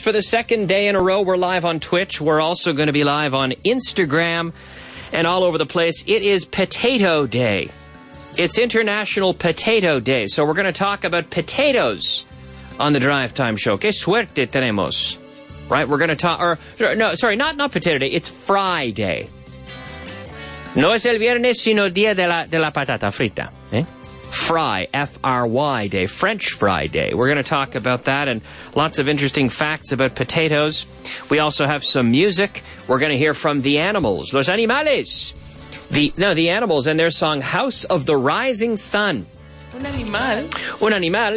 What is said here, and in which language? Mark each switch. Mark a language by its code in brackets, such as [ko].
[en] For the second day in a row, we're live on Twitch. We're also going to be live on Instagram and all over the place. It is Potato Day. It's International Potato Day, so we're going to talk about potatoes on the Drive Time Show. [es] Qué suerte tenemos, [en] right? We're going to talk, not Potato Day, it's Fry Day. [es] No es el viernes, sino día de la patata frita. [en] Eh? Fry, F-R-Y Day, French Fry Day. We're going to talk about that and lots of interesting facts about potatoes. We also have some music. We're going to hear from the animals, [es] los animales. [en] The animals and their song, House of the Rising Sun. [es] Un animal,